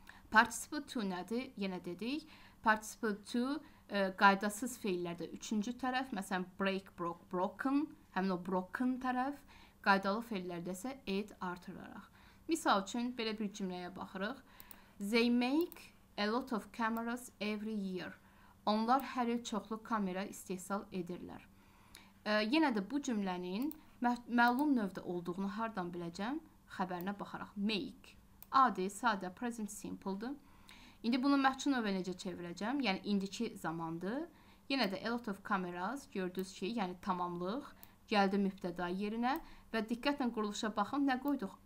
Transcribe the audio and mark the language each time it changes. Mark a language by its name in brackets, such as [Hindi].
[Azerbaijani] Participle to nədir? Yenə dedik. Participle to qaydasız feillərdə üçüncü tərəf, məsələn break, broke, broken, həmin o broken tərəf, qaydalı feillərdə isə add artıraraq. Misal üçün, belə bir cümləyə baxırıq. [English] They make a lot of cameras every year. [Azerbaijani] Onlar hər il çoxlu kamera istehsal edirlər. Yenə də bu cümlənin məlum növdə olduğunu hardan biləcəm? Xəbərinə baxaraq. Make. Adi, sadə, present simple-dır. İndi bunu məhçul növə necə çevirəcəm? Yəni, indiki zamandır. Yenə də [English] a lot of cameras, [Azerbaijani] gördünüz ki, yəni tamamlıq, gəldi mübtəda yerinə və diqqətlə quruluşa baxın, nə qoyduq?